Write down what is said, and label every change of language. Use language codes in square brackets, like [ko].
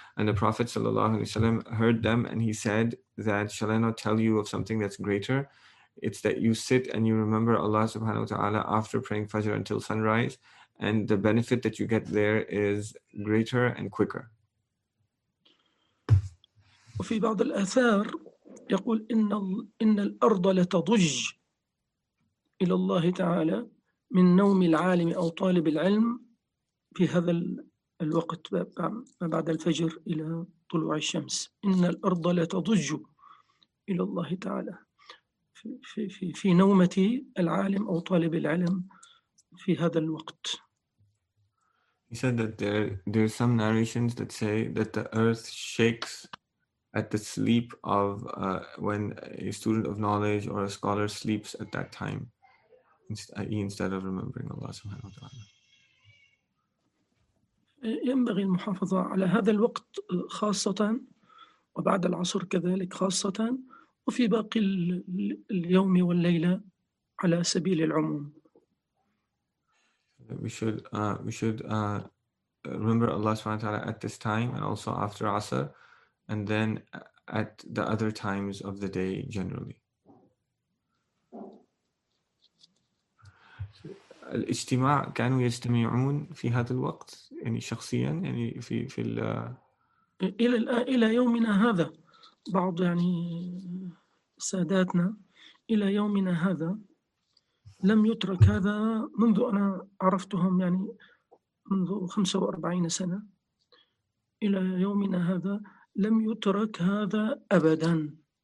[en] And the Prophet sallallahu alaihi wasallam heard them and he said that, shall I not tell you of something that's greater? It's that you sit and you remember Allah subhanahu wa ta'ala after praying Fajr until sunrise. And the benefit that you get there is greater and quicker. [ar] وفي بعض الآثار يقول إن الأرض لتضج إلى الله تعالى من نوم العالم أو طالب العلم في هذا الوقت بعد الفجر إلى طلوع الشمس إن الأرض لتضج إلى الله تعالى في, في, في نومة العالم أو طالب العلم في هذا الوقت. [en] He said that there are some narrations that say that the earth shakes at the sleep of when a student of knowledge or a scholar sleeps at that time, instead of remembering Allah subhanahu wa ta'ala. [ar] ينبغي المحافظة على هذا الوقت خاصة وبعد العصر كذلك خاصة وفي باقي اليوم والليلة على سبيل العموم. [en] We should remember Allah subhanahu wa ta'ala at this time and also after Asr. And then at the other times of the day, generally. [ar] الاجتماع كانوا يجتمعون في هذا الوقت يعني شخصيا يعني في ال. إلى يومنا هذا بعض يعني ساداتنا إلى يومنا هذا لم يترك هذا منذ أنا عرفتهم يعني منذ 45 سنة إلى يومنا هذا. لم يترك هذا أبداً.